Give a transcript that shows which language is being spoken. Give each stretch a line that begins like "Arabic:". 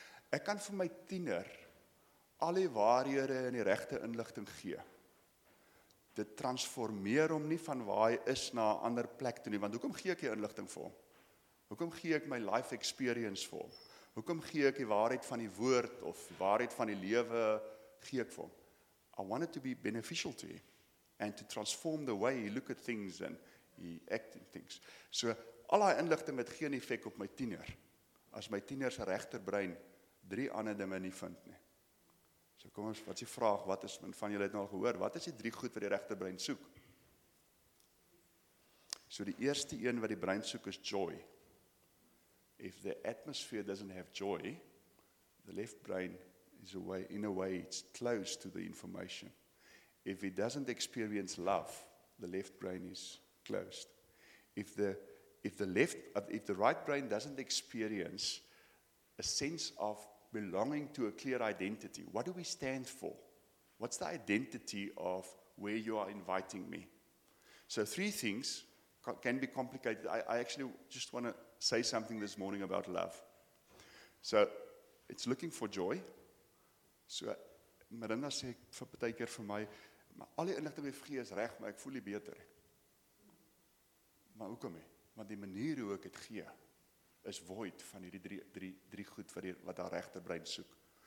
Afrikaans: Ek kan vir my tiener al die waarhede en die regte inligting gee. Dit transformeer hom nie van waar hy is na 'n ander plek toe nie, want hoekom gee ek die inligting vir hom? Hoekom gee ek my life experience vir hom? Hoekom gee ek die waarheid van die woord of waarheid van die lewe gee ek vir hom?
English: I want it to be beneficial to him and to transform the way he look at things and he act in things.
Afrikaans: So, al die inligting het geen effek op my tiener, as my tiener se regterbrein drie ander dinge nie vind nie. So kom ons, wat is die vraag, wat is, van julle het nou al gehoor, wat is die drie goed wat die regterbrein soek? So die eerste een wat die brein soek is joy.
English: If the atmosphere doesn't have joy, the left brain is a way, in a way it's close to the information. If it doesn't experience love, the left brain is closed. If the right brain doesn't experience a sense of belonging to a clear identity, what do we stand for? What's the identity of where you are inviting me? So three things can be complicated. I actually just want to say something this morning about love. So it's looking for joy.
Afrikaans: So Miranda sê vir partykeer vir my, maar al die inligting wat jy gee is reg, maar ek voel nie beter. Maar hoekom nie? Want die manier hoe ek het gee, is void van hierdie drie goed wat daar regterbrein soek.